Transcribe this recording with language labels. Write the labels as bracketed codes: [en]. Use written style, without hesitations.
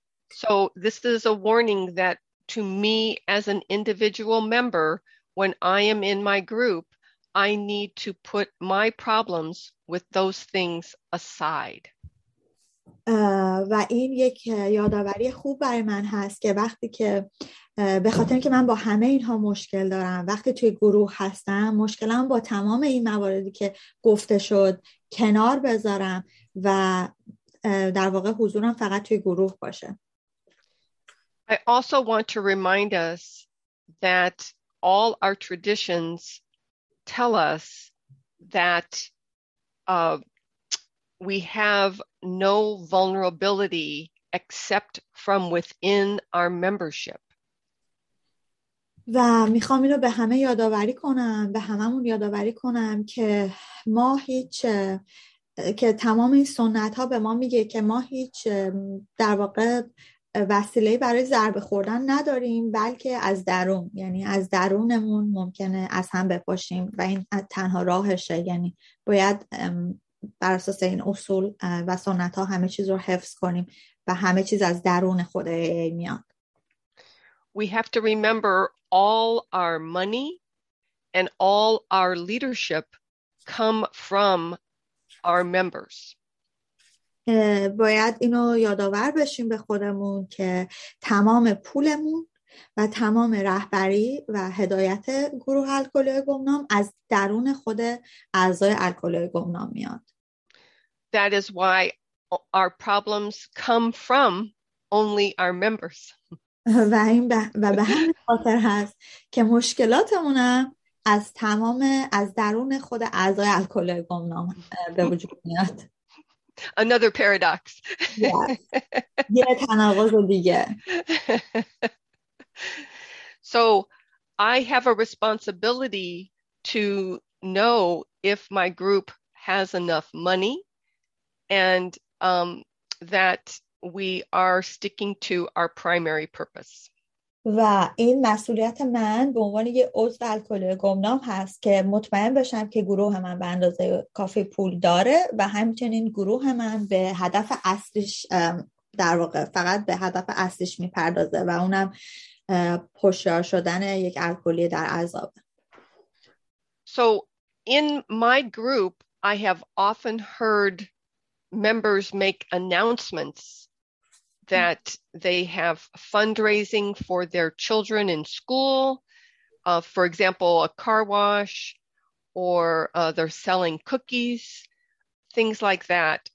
[en] So this is a warning that to me as an individual member, when I am in my group, I need to put my problems with those things aside. [fa] و این یک یادآوری خوب برای من هست که وقتی که به خاطر که من با همه اینها مشکل دارم، وقتی توی گروه هستم مشکلم با تمام این مواردی که گفته شد کنار بذارم و در واقع حضورم فقط توی گروه باشه. [en] I also want to remind us that all our traditions tell us that we have no vulnerability except from within our membership. [fa] و میخوام اینو به همه یادآوری کنم، به هممون یادآوری کنم که ما هیچ، که تمام این سنت ها به ما میگه که ما هیچ در واقع وسیله برای ضربه خوردن نداریم، بلکه از درون، یعنی از درونمون ممکنه از هم بپاشیم و این تنها راهشه. یعنی باید بر اساس این اصول و سنت ها همه چیز رو حفظ کنیم و همه چیز از درون خود میاد. [en] We have to remember all our money and all our leadership come from our members. [fa] باید اینو یادآور بشیم به خودمون که تمام پولمون و تمام رهبری و هدایت گروه الکلی‌های گمنام از درون خود اعضای الکلی‌های گمنام میاد. [en] That is why our problems come from only our members. [fa] و به همین خاطر هست که مشکلاتمونم از تمام، از درون خود اعضای الکلی‌های گمنام به وجود میاد. [en] Another paradox. [fa] یه تناقض دیگه. [en] So I have a responsibility to know if my group has enough money and that we are sticking to our primary purpose. [fa] و این مسئولیت من به عنوان یه عضو الکلی گمنام هست که مطمئن بشم که گروه من به اندازه کافی پول داره و همچنین گروه من به هدف اصلیش، در واقع فقط به هدف اصلیش میپردازه و اونم پشتیبان شدن یک الکلی در عذاب. [en] So in my group I have often heard members make announcements that they have fundraising for their children in school, for example, a car wash, or they're selling cookies, things like that.